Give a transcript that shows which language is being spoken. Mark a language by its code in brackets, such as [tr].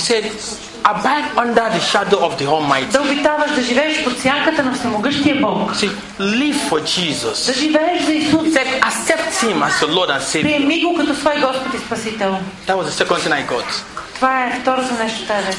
[en] He said, abide under the shadow of the Almighty. [bg] Да обитаваш, да живееш под сянката на всемогъщия Бог. [en] See, live for Jesus. [bg] Да живееш за Исус. [en] He said, accept Him as your Lord and Savior. [bg] Приеми го като свой Господ и Спасител. [en] That was the second thing I got. [bg] Това е второто нещо, тази.